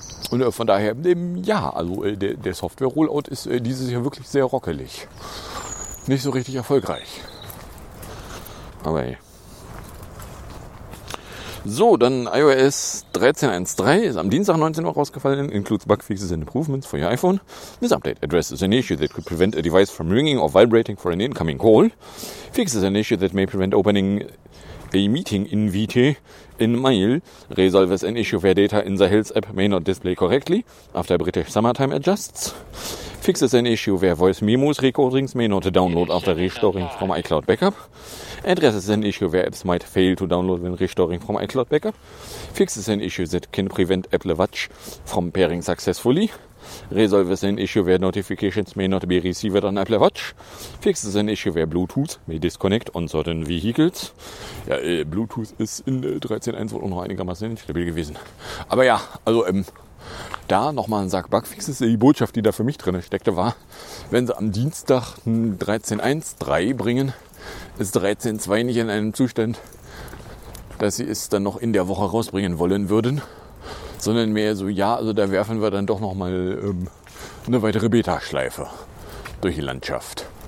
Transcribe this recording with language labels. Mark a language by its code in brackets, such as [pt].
[de] Und von daher, der Software-Rollout ist dieses Jahr wirklich sehr rockelig. Nicht so richtig erfolgreich. Aber so, dann iOS 13.1.3 ist am Dienstag 19 Uhr rausgefallen. [en] Includes bug fixes and improvements for your iPhone. This update addresses an issue that could prevent a device from ringing or vibrating for an incoming call. Fixes an issue that may prevent opening a meeting invite in Mail. Resolves an issue where data in the Health app may not display correctly after British summertime adjusts. Fixes an issue where voice memos recordings may not download after restoring from iCloud backup. Addresses an issue where apps might fail to download when restoring from iCloud backup. Fixes an issue that can prevent Apple Watch from pairing successfully. Resolve an issue where notifications may not be received on Apple Watch. Fix an issue where Bluetooth may disconnect on certain vehicles. [de] Ja, Bluetooth ist in 13.1 wohl auch noch einigermaßen instabil gewesen. Aber ja, also da nochmal ein Sack Bugfixes. Die Botschaft, die da für mich drin steckte, war, wenn sie am Dienstag 13.1.3 bringen, ist 13.2 nicht in einem Zustand, dass sie es dann noch in der Woche rausbringen wollen würden, sondern mehr so, ja, also da werfen wir dann doch nochmal eine weitere Beta-Schleife durch die Landschaft.